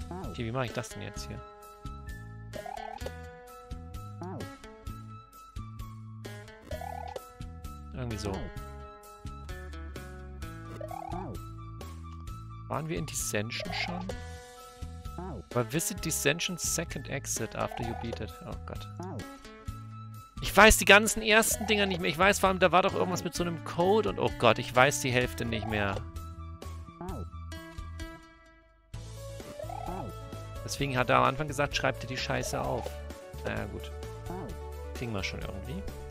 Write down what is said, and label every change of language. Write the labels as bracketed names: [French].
[German] Okay, wie mache ich das denn jetzt hier? Irgendwie so. Waren wir in Dissension schon? [English] Aber visit Dissension's second exit after you beat it. [German] Oh Gott. Ich weiß die ganzen ersten Dinger nicht mehr. Ich weiß vor allem, da war doch irgendwas mit so einem Code und oh Gott, ich weiß die Hälfte nicht mehr. Deswegen hat er am Anfang gesagt, schreib dir die Scheiße auf. Naja, gut. Kriegen wir schon irgendwie.